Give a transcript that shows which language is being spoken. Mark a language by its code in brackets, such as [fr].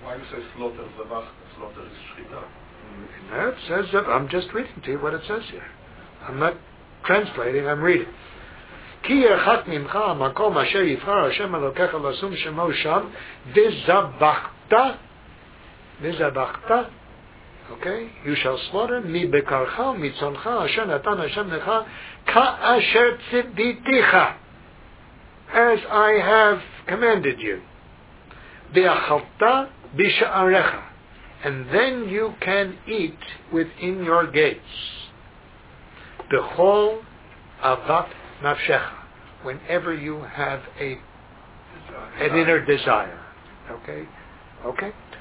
[en] Why do you say slaughter, [he] vizavachta? [en] Slaughter is [he] shechita. [en] I'm just reading to you what it says here. I'm not translating, I'm reading. [he] כי ירחק ממך המקום אשר יבחר השם אלוקיך לשום שמו שם וזבחת וזבחת okay? [en] You shall slaughter [he] מבקרך ומצונך אשר נתן השם לך כאשר ציביתיך [en] as I have commanded you [he] ואכלת בשעריך [en] and then you can eat within your gates [he] בכל אבת נפשך [en] whenever you have an inner desire. Okay? Okay?